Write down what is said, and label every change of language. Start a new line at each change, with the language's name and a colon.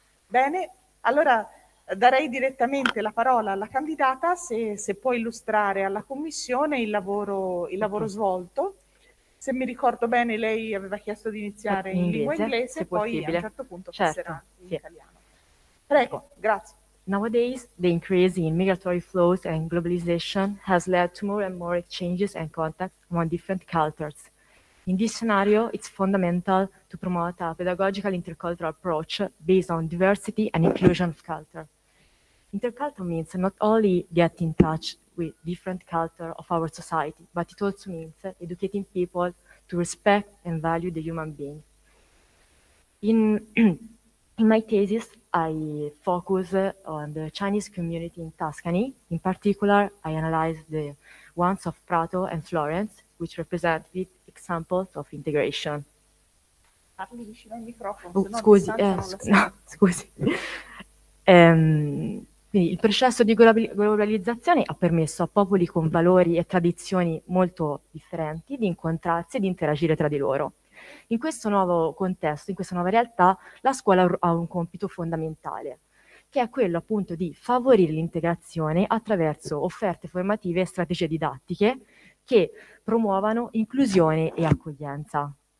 Italian: Bene, allora... darei direttamente la parola alla candidata se può illustrare alla Commissione il lavoro svolto. Se mi ricordo bene, lei aveva chiesto di iniziare in lingua inglese e poi possibile. A un certo punto certo, passerà in italiano. Prego, grazie.
English: Nowadays, the increase in migratory flows and globalization has led to more and more exchanges and contacts among different cultures. In this scenario, it's fundamental to promote a pedagogical intercultural approach based on diversity and inclusion of culture. Intercultural means not only get in touch with different cultures of our society, but it also means educating people to respect and value the human being. In my thesis, I focus on the Chinese community in Tuscany. In particular, I analyze the ones of Prato and Florence, which represent examples of integration.
Italian: Quindi il processo di globalizzazione ha permesso a popoli con valori e tradizioni molto differenti di incontrarsi e di interagire tra di loro. In questo nuovo contesto, in questa nuova realtà, la scuola ha un compito fondamentale, che è quello appunto di favorire l'integrazione attraverso offerte formative e strategie didattiche che promuovano inclusione e accoglienza.